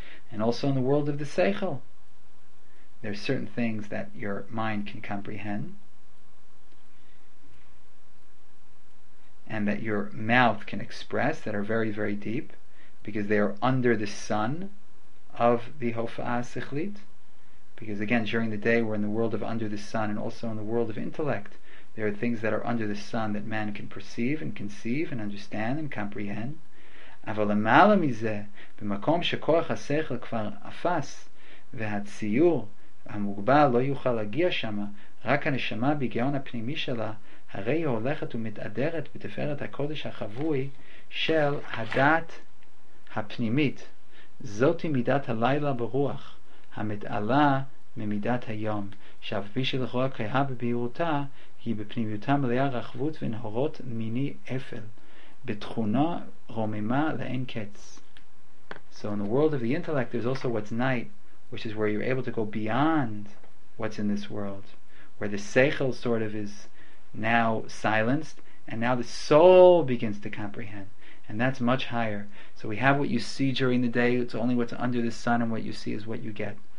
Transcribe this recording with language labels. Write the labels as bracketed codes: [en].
[en] And also in the world of the seichel, there are certain things that your mind can comprehend, and that your mouth can express, that are very, very deep, because they are under the sun of the hofa'a sechlit. Because again, during the day, we're in the world of under the sun, and also in the world of intellect, there are things that are under the sun that man can perceive and conceive and understand and comprehend. [he] אבל למעלה מזה, במקום שכוח השכל כבר אפס, והציור המוגבל לא יוכל להגיע שם, רק הנשמה בגאון הפנימי שלה, הרי היא הולכת ומתאדרת בתפארת הקודש החבוי של הדת הפנימית. זאת היא מידת הלילה ברוח, המתעלה ממידת היום, שאף פי שלכאורה קהה בבהירותה, היא בפנימיותה מלאה רחבות ונהורות מיני אפל, בתכונה רוממה לאין קץ. [en] So in the world of the intellect, there's also what's night, which is where you're able to go beyond what's in this world, where the seichel sort of is now silenced, and now the soul begins to comprehend. And that's much higher. So we have what you see during the day, it's only what's under the sun, and what you see is what you get.